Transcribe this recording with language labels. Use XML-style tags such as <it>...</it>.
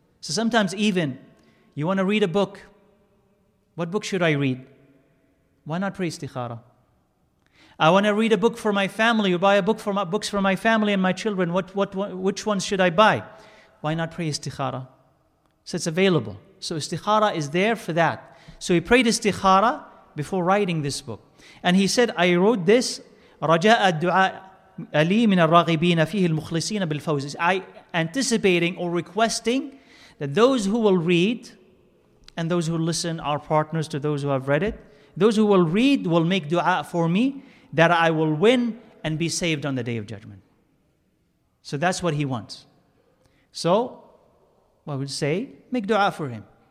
<en>So sometimes even, you want to read a book. What book should I read? Why not pray istikhara? I want to read a book for my family, or buy a book for my books for my family and my children. Which ones should I buy? Why not pray istikhara? So it's available. So istikhara is there for that. So he prayed istikhara before writing this book. And he said, I wrote this,</en> <ar>رَجَاءَ الدُّعَاءَ لِي مِنَ الرَّغِبِينَ فِيهِ الْمُخْلِصِينَ بِالْفَوْزِ.</ar> <en>I anticipating or requesting that those who will read and those who listen are partners to those who have read it. Those who will read will make dua for me, that I will win and be saved on the Day of Judgment. So that's what he wants. So, what would say? Make dua for him.</en>